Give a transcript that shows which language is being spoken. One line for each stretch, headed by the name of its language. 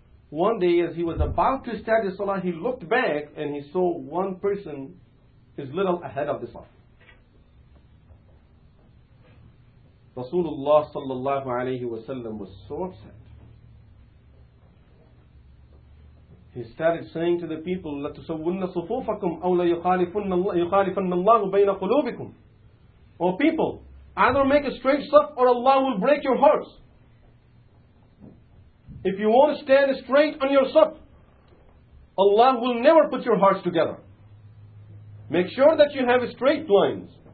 English: One day as he was about to start the salah, he looked back and he saw one person is little ahead of the saf. Rasulullah sallallahu alayhi wasallam was so upset. He started saying to the people,
Arabic: لَتُسَوُّنَّ صُفُوفَكُمْ أَوْ لَيُخَالِفَنَّ اللَّهُ بَيْنَ قُلُوبِكُمْ.
English: O people, either make a straight saf or Allah will break your hearts. If you won't stand straight on your saf, Allah will never put your hearts together. Make sure that you have straight lines.